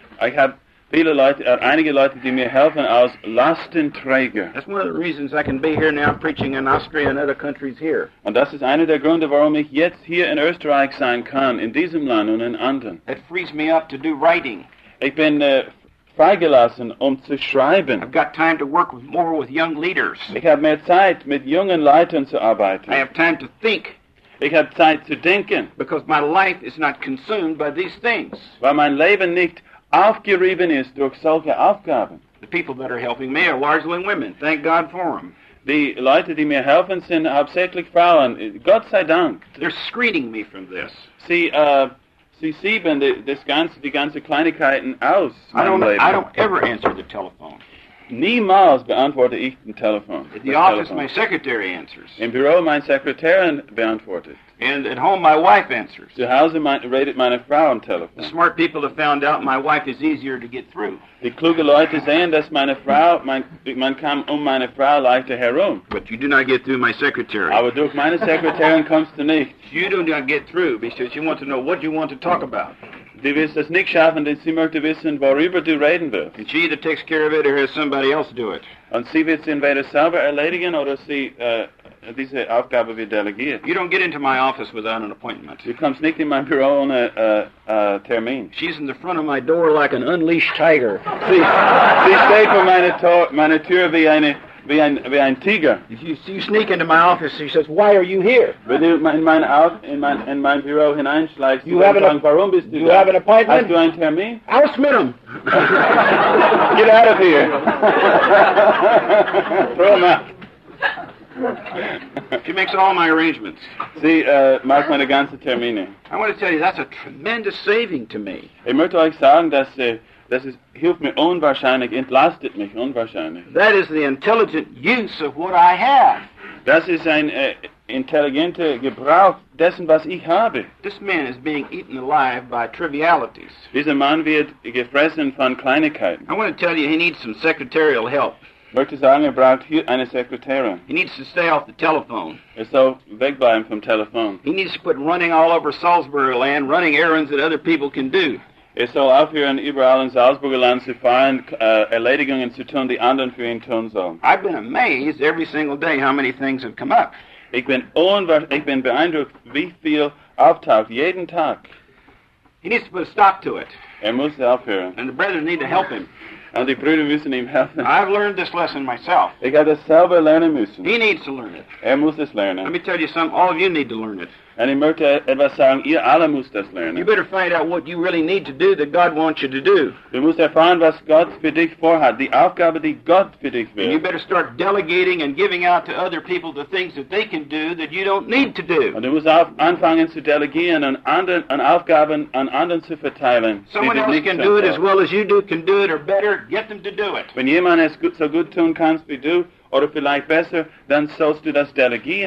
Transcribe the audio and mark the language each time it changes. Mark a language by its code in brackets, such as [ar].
[de] Ich habe viele Leute, einige Leute, die mir helfen als Lastenträger. [en] That's one of the reasons I can be here now preaching in Austria and other countries here. [de] Und das ist einer der Gründe, warum ich jetzt hier in Österreich sein kann, in diesem Land und in anderen. [en] It frees me up to do writing. [de] Ich bin freigelassen, zu schreiben. [en] I've got time to work more with young leaders. [de] Ich habe mehr Zeit, mit jungen Leuten zu arbeiten. [en] I have time to think. [de] Ich habe Zeit zu denken. [en] Because my life is not consumed by these things. [de] Weil mein Leben nicht aufgerieben ist durch solche Aufgaben. [en] The people that are helping me are largely women. Thank God for them. [de] Die Leute, die mir helfen, sind hauptsächlich Frauen. Gott sei Dank. [en] They're screening me from this. [de] Sie sieben die ganze Kleinigkeiten aus. [en] I don't ever answer the telephone. [de] Niemals beantworte ich den Telefon. [en] At the office, telephone. My secretary answers. [de] Im Büro, mein Sekretärin beantwortet. [en] And at home, my wife answers. [de] Zu Hause, meine Frau am Telefon. [en] The smart people have found out my wife is easier to get through. [de] Die kluge Leute sehen, dass man kann meine Frau leichter herum. [en] But you do not get through my secretary. [de] Aber durch meine Sekretärin kommst du nicht. [en] You do not get through because you want to know what you want to talk about. [de] Du wirst es nicht schaffen, denn sie möchte wissen, worüber du reden wirst. [en] And she either takes care of it or has somebody else do it. [de] Und sie wird es entweder selber erledigen oder sie diese Aufgabe wird delegiert. [en] You don't get into my office without an appointment. [de] Du kommst nicht in mein Büro ohne Termin. [en] She's in the front of my door like an unleashed tiger. [de] Sie steht vor meiner Tür wie ein Tiger. [en] You sneak into my office, she says, why are you here? [de] Wenn du in mein Büro hineinschleichst, du sagst, warum bist du da? [en] You have an appointment? [de] Hast du einen Termin? Aus mit ihm. [en] Get out of here. Throw him out. She makes all my arrangements. [de] Sie macht meine ganze Termine. [en] I want to tell you, that's a tremendous saving to me. [de] Ich möchte euch sagen, dass das hilft mir unwahrscheinlich, entlastet mich unwahrscheinlich. [en] That is the intelligent use of what I have. [de] Das ist ein intelligenter Gebrauch dessen, was ich habe. [en] This man is being eaten alive by trivialities. [de] Dieser Mann wird gefressen von Kleinigkeiten. [en] I want to tell you, he needs some secretarial help. [de] Möchte sagen, er braucht eine Sekretärin. [en] He needs to stay off the telephone. [de] Er soll wegbleiben vom Telefon. [en] He needs to quit running all over Salisbury land, running errands that other people can do. [de] Er soll aufhören, überall in Salzburger Land zu fahren, Erledigungen zu tun, die anderen für ihn tun sollen. [en] I've been amazed every single day how many things have come up. [de] Ich bin beeindruckt, wie viel auftaucht, jeden Tag. [en] He needs to put a stop to it. [de] Er muss aufhören. [en] And the brethren need to help him. [de] Und die Brüder müssen ihm helfen. [en] I've learned this lesson myself. [de] Ich habe das selber lernen müssen. [en] He needs to learn it. [de] Er muss es lernen. [en] Let me tell you something, all of you need to learn it. [de] Und ich möchte etwas sagen, ihr alle müsst das lernen. [en] You better find out what you really need to do that God wants you to do. [de] Du musst erfahren, was Gott für dich vorhat, die Aufgabe, die Gott für dich will. [en] And you better start delegating and giving out to other people the things that they can do that you don't need to do. [de] Und du musst anfangen zu delegieren und Aufgaben an anderen zu verteilen. [en] Someone else can do it as well as you do, can do it, or better, get them to do it. [de] Wenn jemand es so gut tun kann wie du, oder vielleicht besser, dann sollst du das delegieren.